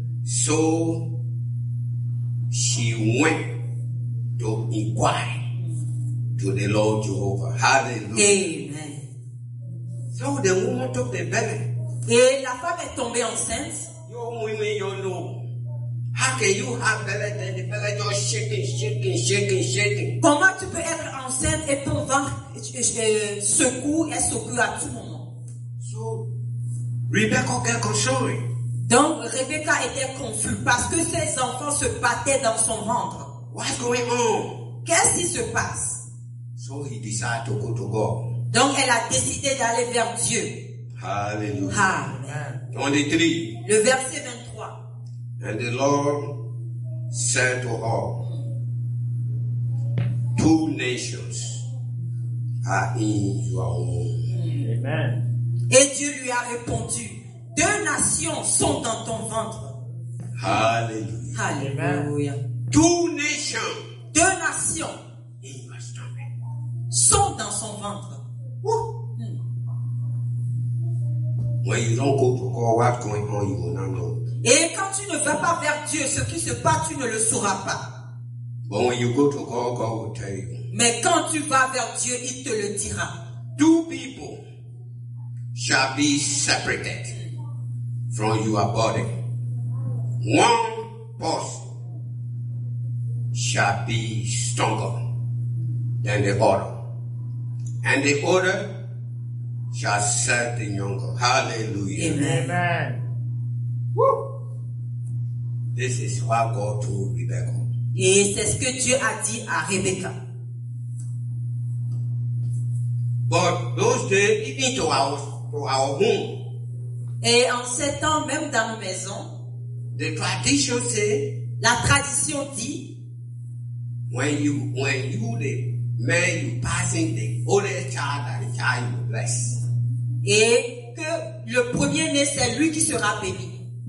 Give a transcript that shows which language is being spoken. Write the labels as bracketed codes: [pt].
[en] So she went to inquire to the Lord Jehovah. Hallelujah. Amen. So the woman took the baby. [fr] Et la femme est tombée enceinte. [en] Your women, your know. How can you have belly and the belly just shaking? [fr] Comment tu peux être enceinte et ton ventre secoue à tout moment? [en] So, Rebecca got consoling. [fr] Donc, Rebecca était confuse parce que ses enfants se battaient dans son ventre. [en] What's going on? [fr] Qu'est-ce qui se passe? [en] So, he decided to go to God. [fr] Donc, elle a décidé d'aller vers Dieu. Hallelujah. Amen. 23. Le verset 23. [en] And the Lord said to her, two nations are in your womb. Amen. [fr] Et Dieu lui a répondu, deux nations sont dans ton ventre. Hallelujah. Hallelujah. [en] Two nations. [fr] Deux nations [en] in your stomach [fr] sont dans son ventre. [en] When you don't go to God, what's going on, you will not know. [fr] Et quand tu ne vas pas vers Dieu, ce qui se passe, tu ne le sauras pas. [en] But when you go to God, God will tell you. [fr] Mais quand tu vas vers Dieu, il te le dira. [en] Two people shall be separated from your body. One person shall be stronger than the other. And the other shall serve the younger. Hallelujah. Amen. Amen. Woo! This is what God told Rebecca. [fr] Et c'est ce que Dieu a dit à Rebecca. [en] But those days, even to our home. [fr] Et en ces temps, même dans nos maisons, [en] the tradition say, [fr] la tradition dit, [en] when you the man you passing the oldest child and the child you bless. [fr] Et que le premier né c'est lui qui sera béni.